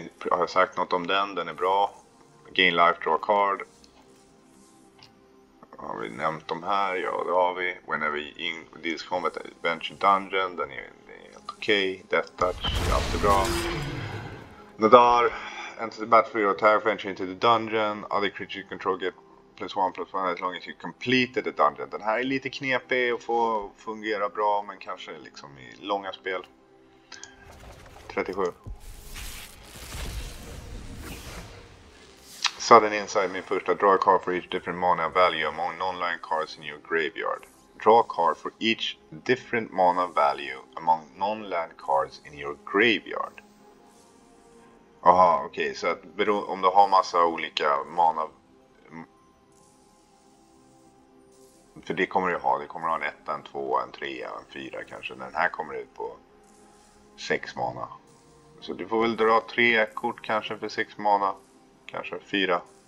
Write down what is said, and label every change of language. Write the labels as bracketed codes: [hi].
[sv] Har jag sagt något om den? Den är bra. [en] Gain life, draw a card. [sv] Har vi nämnt de här? Ja, det har vi. [en] Whenever in this combat, venture dungeon. [sv] Den är helt okej. Okay. Death touch, det är alltid bra. [en] Nadar, enter the battlefield or attack, venture into the dungeon. Other creatures you control get +1/+1 as long as you completed the dungeon. [sv] Den här är lite knepig att få fungera bra, men kanske liksom i långa spel. 37. Sudden insight, min första. [en] Draw a card for each different mana value among non-land cards in your graveyard. Draw a card for each different mana value among non-land cards in your graveyard. [sv] Aha, okej, okay, så att om du har massa olika mana. För det kommer du ha, det kommer du ha en etta, en tvåa, en trea, en fyra kanske. Den här kommer ut på sex mana. Så du får väl dra tre kort kanske för sex mana. Kanske fyra.